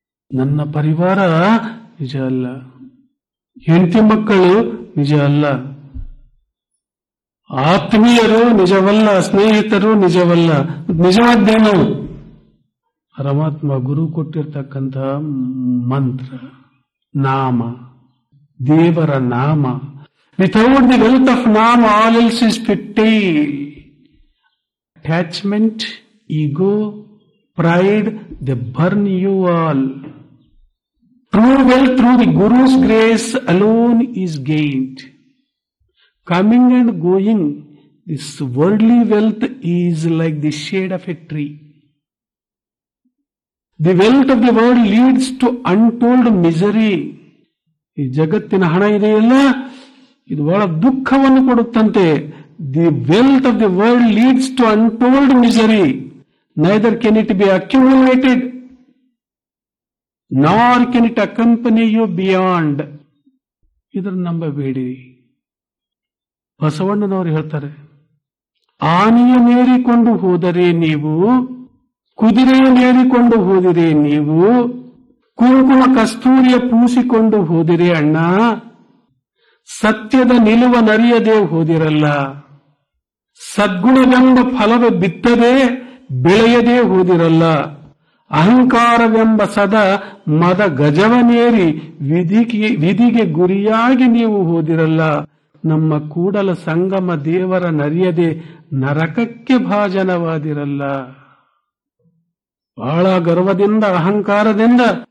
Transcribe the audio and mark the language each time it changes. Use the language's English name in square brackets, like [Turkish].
[Kannada] ನನ್ನ ಪರಿವಾರ ನಿಜ ಅಲ್ಲ, ಹೆಂಡತಿ ಮಕ್ಕಳು ನಿಜ ಅಲ್ಲ, ಆತ್ಮೀಯರು ನಿಜವಲ್ಲ, ಸ್ನೇಹಿತರು ನಿಜವಲ್ಲ. ನಿಜವಾದ್ದೇನು? ಪರಮಾತ್ಮ ಗುರು ಕೊಟ್ಟಿರ್ತಕ್ಕಂತ ಮಂತ್ರ, ನಾಮ, ದೇವರ ನಾಮ. [English] Without the wealth of naam all else is petty. Attachment, ego, pride, they burn you all. True wealth through the Guru's grace alone is gained. Coming and going, this worldly wealth is like the shade of a tree. The wealth of the world leads to untold misery. [Kannada] Jagatina hana ideyalla, idu bala dukkhavannu koduttante. [English] The wealth of the world leads to untold misery. Neither can it be accumulated, nor can it accompany you beyond. [Kannada] ಇದರ ನಂಬ ಬೇಡಿ. ಬಸವಣ್ಣನವರು ಹೇಳ್ತಾರೆ, ಆನೆಯ ಮೇರಿಕೊಂಡು ಹೋದರೆ ನೀವು, ಕುದುರೆಯ ಮೇರಿಕೊಂಡು ಹೋದಿರಿ ನೀವು, ಕುಂಕುಮ ಕಸ್ತೂರಿಯ ಪೂಸಿಕೊಂಡು ಹೋದಿರಿ ಅಣ್ಣ, ಸತ್ಯದ ನಿಲುವ ನರಿಯದೆ ಹೋದಿರಲ್ಲ, ಸದ್ಗುಣವೆಂಬ ಫಲವ ಬಿತ್ತದೆ ಬೆಳೆಯದೆ ಹೋದಿರಲ್ಲ, ಅಹಂಕಾರವೆಂಬ ಸದ ಮದ ಗಜವನೇರಿ ವಿಧಿಗೆ ಗುರಿಯಾಗಿ ನೀವು ಹೋದಿರಲ್ಲ, ನಮ್ಮ ಕೂಡಲ ಸಂಗಮ ದೇವರ ನರಿಯದೆ ನರಕಕ್ಕೆ ಭಾಜನವಾದಿರಲ್ಲ. ಬಹಳ ಗರ್ವದಿಂದ, ಅಹಂಕಾರದಿಂದ,